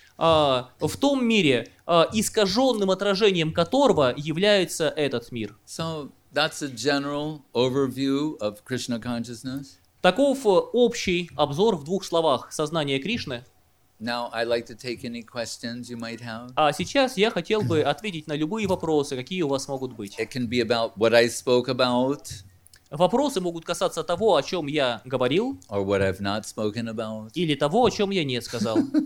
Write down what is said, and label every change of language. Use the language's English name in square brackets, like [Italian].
[Russian] В том мире, искаженным отражением которого является этот мир. [English] So that's a general overview of Krishna consciousness. [Russian] Таков общий обзор в двух словах сознания Кришны. [English] Now I'd like to take any questions you might have. [Russian] А сейчас я хотел бы ответить на любые вопросы, какие у вас могут быть. [English] It can be about what I spoke about. [Russian] Вопросы могут касаться того, о чем я говорил. [English] Or what I've not spoken about. [Russian] Или того, о чем я не сказал.